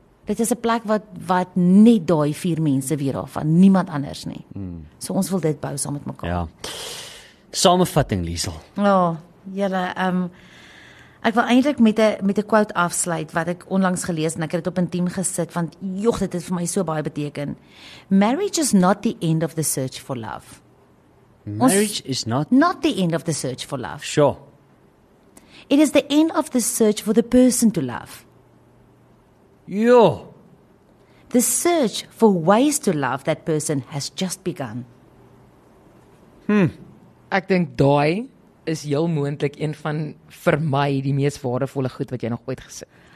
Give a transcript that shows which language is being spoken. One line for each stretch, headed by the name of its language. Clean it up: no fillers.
Afrikaans: Dit is 'n plek wat net daai vier mense weer af van niemand anders nie. Hmm. So ons wil dit bou saam met mekaar. Ja. Samenvatting, Liesel. Ja, julle ek wil eintlik met 'n quote afsluit wat ek onlangs gelees en ek het dit op 'n team gesit want
English: jog,
Afrikaans: dit het vir my so baie beteken.
English: Marriage is not the end of the search for love. Marriage is not the end of the search for love. Sure. It is the end of the search for the person to love. Jo. The search for ways to love that person has just begun.
Afrikaans: Ek dink daai is heel moontlik een van vir my die mees waardevolle goed wat jy nog ooit gesê.